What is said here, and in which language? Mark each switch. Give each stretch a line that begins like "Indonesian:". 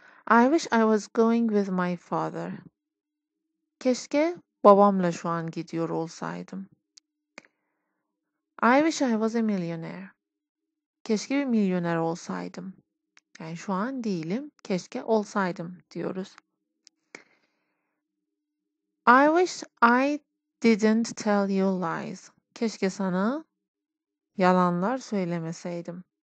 English: I wish I was going with my father.
Turkish: Keşke babamla şu an gidiyor olsaydım.
English: I wish I was a millionaire.
Turkish: Keşke bir milyoner olsaydım. Yani şu an değilim. Keşke olsaydım diyoruz.
English: I wish I didn't tell you lies.
Turkish: Keşke sana yalanlar söylemeseydim.